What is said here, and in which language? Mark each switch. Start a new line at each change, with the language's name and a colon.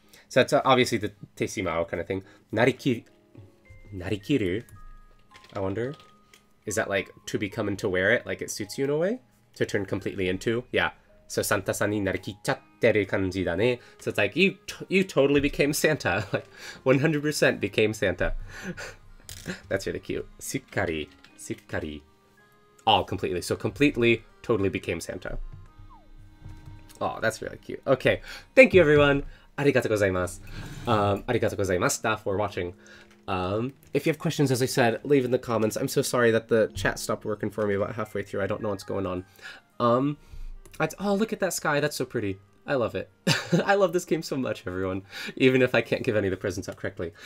English: So it's obviously the tasty mao kind of thing.
Japanese: なりきる?
English: I wonder. Is that like, to become and to wear it? Like, it suits you in a way? To turn completely into? Yeah.
Japanese: So サンタさんになりきっちゃってる感じだね。
English: So it's like, you totally became Santa. Like, 100% became Santa. That's really cute.
Japanese: すっかり、すっかり。
English: All completely. So completely, totally became Santa. Oh, that's really cute. Okay. Thank you, everyone.
Japanese: ありがとうございます。ありがとうございました for watching.
English: If you have questions, as I said, leave in the comments. I'm so sorry that the chat stopped working for me about halfway through. I don't know what's going on. Oh, look at that sky. That's so pretty. I love it. I love this game so much, everyone. Even if I can't give any of the presents out correctly.